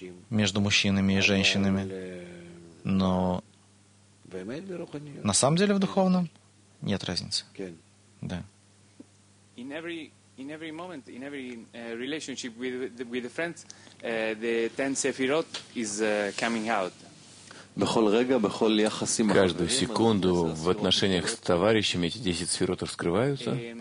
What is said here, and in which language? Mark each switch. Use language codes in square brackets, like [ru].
[ru] Между мужчинами и женщинами. Но на самом деле в духовном нет разницы. Да. [en] In every moment, in every relationship with the friends, the ten sefirot is coming out. [ru] Каждую секунду в отношениях с товарищами эти 10 сефирот раскрываются.